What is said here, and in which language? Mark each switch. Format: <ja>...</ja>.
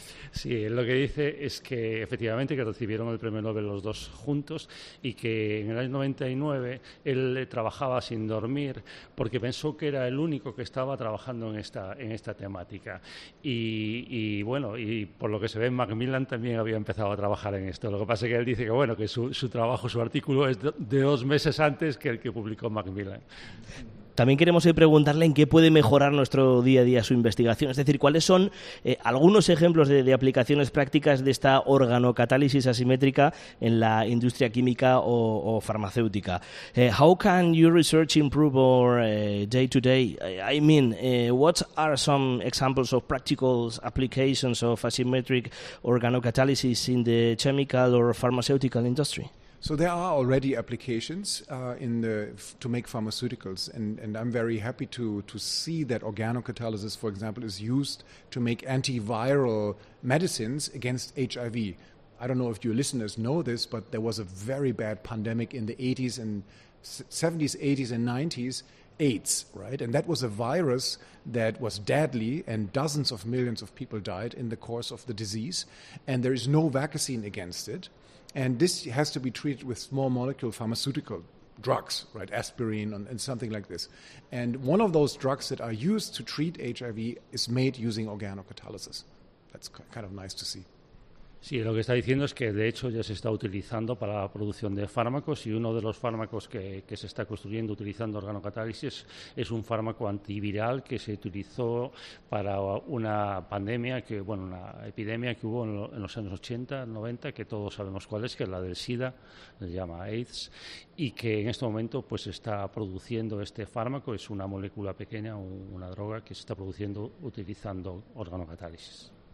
<es>Sí, lo que dice es que efectivamente que recibieron el premio Nobel los dos juntos y que en el año 99 él trabajaba sin dormir porque pensó que era el único que estaba trabajando en esta temática y bueno, y por lo que se ve, Macmillan también había empezado a trabajar en esto. Lo que pasa es que él dice que bueno, que su trabajo, su artículo es de 2 meses antes que el que publicó Macmillan. También queremos preguntarle en qué puede mejorar nuestro día a día su investigación. Es decir, ¿cuáles son algunos ejemplos de aplicaciones prácticas de esta organocatálisis asimétrica en la industria química o farmacéutica?</es> <en>How can your research improve our day-to-day? What are some examples of practical applications of asymmetric organocatalysis in the chemical or pharmaceutical industry? So there are already applications to make pharmaceuticals, and I'm very happy to see that organocatalysis, for example, is used to make antiviral medicines against HIV. I don't know if your listeners know this, but there was a very bad pandemic in the 80s and 70s, 80s and 90s, AIDS, right? And that was a virus that was deadly, and dozens of millions of people died in the course of the disease, and there is no vaccine against it. And this has to be treated with small molecule pharmaceutical drugs, right? Aspirin and something like this. And one of those drugs that are used to treat HIV is made using organocatalysis. That's kind of nice to see.</en> <es>Sí, lo que está diciendo es que de hecho ya se está utilizando para la producción de fármacos y uno de los fármacos que se está construyendo utilizando organocatálisis es un fármaco antiviral que se utilizó para una pandemia, una epidemia que hubo en los años 80, 90, que todos sabemos cuál es, que es la del SIDA, se llama AIDS, y que en este momento pues está produciendo este fármaco, es una molécula pequeña, una droga que se está produciendo utilizando organocatálisis.</es>